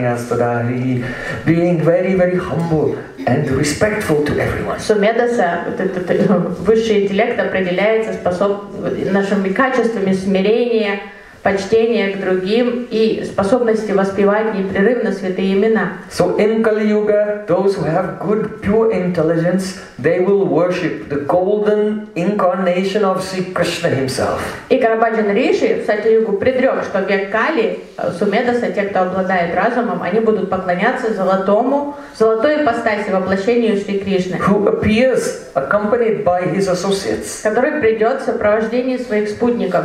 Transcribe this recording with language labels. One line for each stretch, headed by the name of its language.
English: Being very, very humble and respectful to everyone.
Russian: Сумедаса, высший интеллект определяется нашими качествами смирения, почтения к другим и способности воспевать непрерывно святые имена.
English: So in Kali Yuga, those who have good, pure intelligence, they will worship the golden incarnation of Sri Krishna himself.
Russian: И Карабаджан Риши в Сатьюгу предрек, что век Кали, сумедаса, те, кто обладает разумом, они будут поклоняться золотой ипостаси воплощению Шри Кришны.
English: Who appears accompanied by his associates.
Russian: Который придет в сопровождении своих спутников.